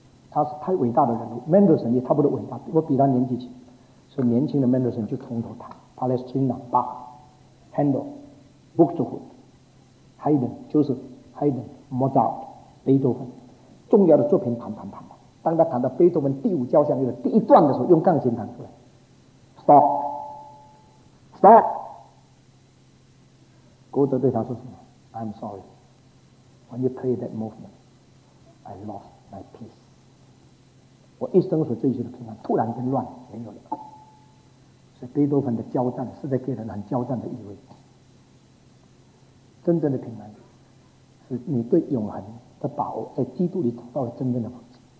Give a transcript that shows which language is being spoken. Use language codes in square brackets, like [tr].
[zh] 他是太伟大的人物， Mendelssohn 也差不多伟大，我比他年纪轻，所以年轻的 Mendelssohn 就从头弹 Palestrina Bach Handel Buxtehude Haydn， 就是 Haydn Mozart Beethoven 重要的作品弹弹弹弹。当他弹到贝多芬第五交响乐第一段的时候，用钢琴弹出来Stop！歌德对他说什么 ？ [en] I'm sorry. When you play that movement, I lost my peace. [zh] 我一生所追求的平安突然间乱没有了。所以贝多芬的交战是在给人很交战的意味。真正的平安是你对永恒的把握，在基督里找到了真正的方式。